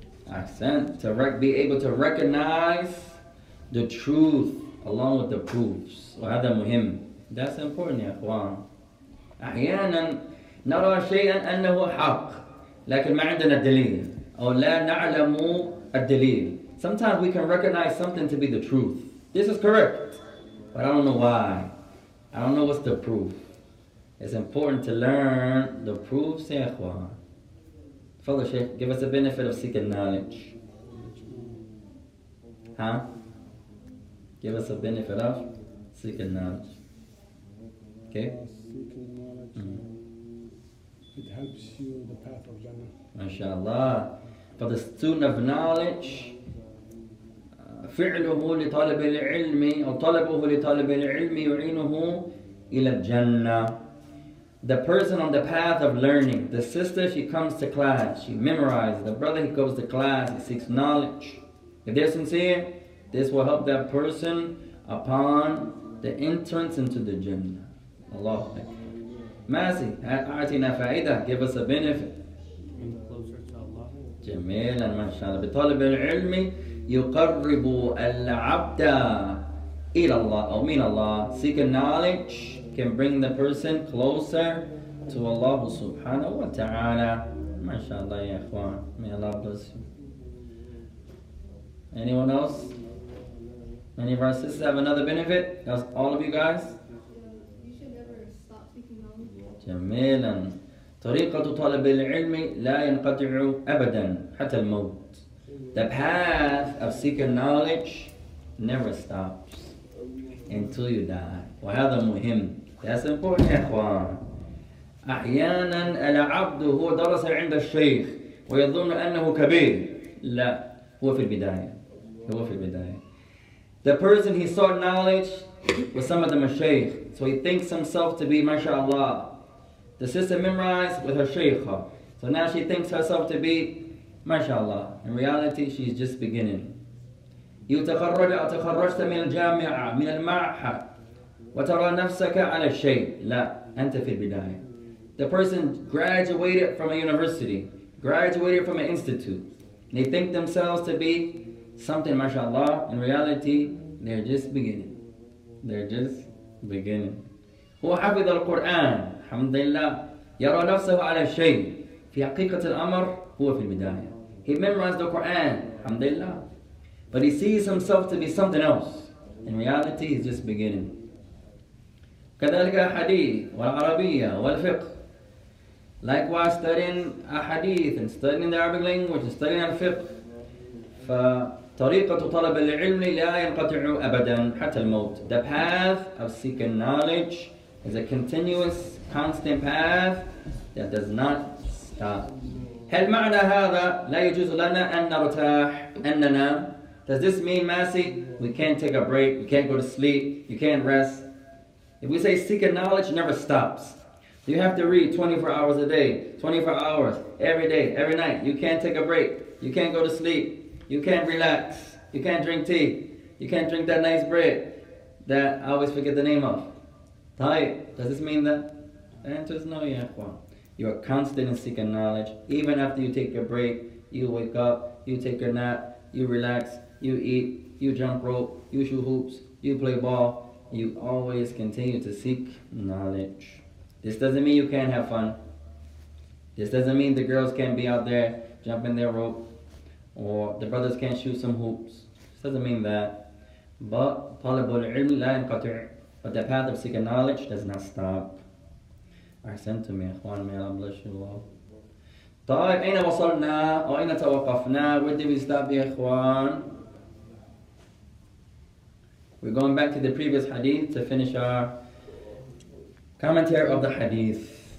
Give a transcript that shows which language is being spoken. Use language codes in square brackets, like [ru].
[en] Accent, to be able to recognize the truth along with the proofs. [ar] وهذا مهم. [en] That's important, [ar] يا اخوان. احيانا نرى شيئا انه حق لكن ما عندنا دليل او لا نعلم الدليل. [en] Sometimes we can recognize something to be the truth. This is correct, but I don't know why. I don't know what's the proof. It's important to learn the proofs, [ar] يا اخوان. [en] Father Sheikh, give us the benefit of seeking knowledge. Huh? Give us a benefit of seeking knowledge. Okay? Seeking knowledge. Mm-hmm. It helps you in the path of Jannah. MashaAllah. For the student of knowledge, [ar] فعله لطالب العلم أو طلبه لطالب العلم يعينه إلى الجنة. [en] The person on the path of learning, the sister, she comes to class, she memorizes. The brother, he goes to class, he seeks knowledge. If they're sincere, this will help that person upon the entrance into the Jannah. Allah Masi, [ar] a'atina fa'idah, [en] give us a benefit. Jamil and mashallah. [ar] بطالب العلم يقرب العبد إلى الله أو من الله. [en] Seeking knowledge can bring the person closer to Allah subhanahu wa ta'ala. MashaAllah, ya ikhwan. May Allah bless you. Anyone else? Any of our sisters have another benefit? That's all of you guys? You should never stop seeking knowledge. [ar] Jamilan. طريقة طلب العلم لا ينقطع أبدا حتى الموت. [en] The path of seeking knowledge never stops until you die. [ar] وهذا مهم. [en] That's important, [ar] يا اخوان. أحيانا العبد هو درس عند الشيخ ويظن أنه كبير. لا. هو في البداية. هو في البداية. [en] The person, he sought knowledge with some of the mashaykh. So he thinks himself to be, mashallah. The sister memorized with her shaykha. So now she thinks herself to be, mashallah. In reality, she's just beginning. [ar] يتخرج أو تخرجت من الجامعة من المعهد وترى نفسك على الشيء. لا. أنت في البداية. [en] The The person graduated from a university, graduated from an institute. They think themselves to be something, mashallah. In reality, they're just beginning. They're just beginning. [ar] هو حفظ القرآن الحمد لله يرى نفسه على شيء في حقيقة الأمر هو في البداية. [en] He memorized the Quran, alhamdulillah. But he sees himself to be something else. In reality, he's just beginning. [ar] كذلك الحديث والعربية والفقه. [en] Likewise, studying a hadith and studying the Arabic language and studying al fiqh. [ar] فطريقة طلب العلم لا ينقطع أبدا حتى الموت. [en] The path of seeking knowledge is a continuous, constant path that does not stop. [ar] هل معنى هذا لا يجوز لنا أن نرتاح أننا؟ [en] Does this mean, Masi, we can't take a break, we can't go to sleep, you can't rest? If we say seeking knowledge never stops, you have to read 24 hours a day, 24 hours, every day, every night. You can't take a break. You can't go to sleep. You can't relax. You can't drink tea. You can't drink that nice bread that I always forget the name of. Thai, does this mean that? The answer is no, yaqwan. You are constant in seeking knowledge. Even after you take your break, you wake up, you take a nap, you relax, you eat, you jump rope, you shoot hoops, you play ball. You always continue to seek knowledge. This doesn't mean you can't have fun. This doesn't mean the girls can't be out there jumping their rope or the brothers can't shoot some hoops. This doesn't mean that. But [ar] طلب العلم لا ينقطع. [en] But the path of seeking knowledge does not stop. [ar] أحسن [en] to me, أخوان, may Allah bless you all. [ar] طيب, أين وصلنا؟ أين توقفنا؟ [en] Where did we stop, [ar] يا أخوان? [en] We're going back to the previous hadith to finish our commentary of the hadith.